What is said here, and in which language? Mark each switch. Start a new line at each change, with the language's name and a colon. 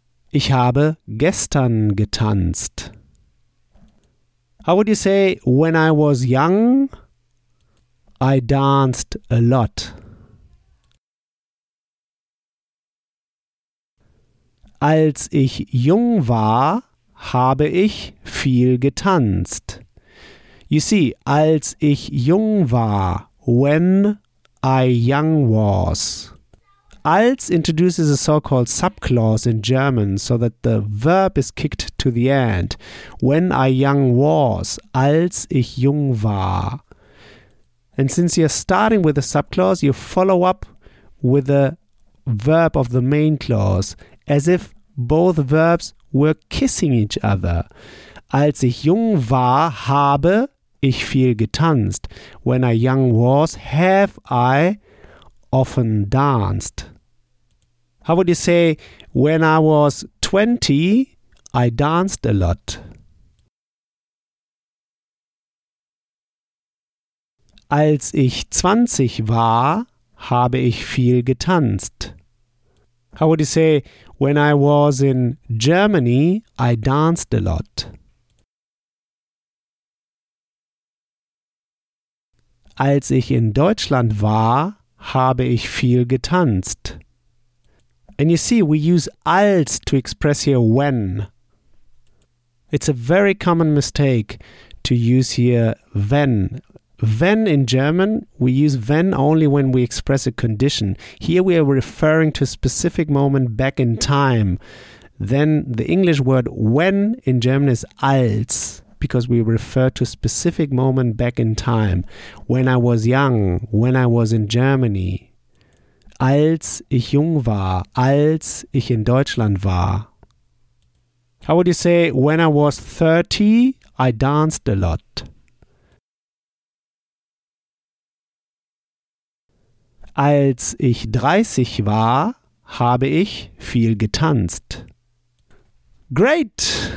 German: Ich habe gestern getanzt.
English: How would you say, when I was young, I danced a lot?
German: Als ich jung war, habe ich viel getanzt.
English: You see,
German: als ich jung war,
English: when I young was. Als introduces a so-called subclause in German so that the verb is kicked to the end. When I young was,
German: als ich jung war.
English: And since you're starting with a subclause, you follow up with the verb of the main clause as if both verbs were kissing each other.
German: Als ich jung war, habe ich viel getanzt.
English: When I young was, have I often danced. How would you say, when I was 20, I danced a lot?
German: Als ich 20 war, habe ich viel getanzt.
English: How would you say, when I was in Germany, I danced a lot?
German: Als ich in Deutschland war, habe ich viel getanzt.
English: And you see, we use als to express here when. It's a very common mistake to use here wenn. Wenn in German, we use wenn only when we express a condition. Here we are referring to a specific moment back in time. Then the English word when in German is als, because we refer to a specific moment back in time. When I was young, when I was in Germany.
German: Als ich jung war, als ich in Deutschland war.
English: How would you say, when I was 30, I danced a lot?
German: Als ich 30 war, habe ich viel getanzt.
English: Great!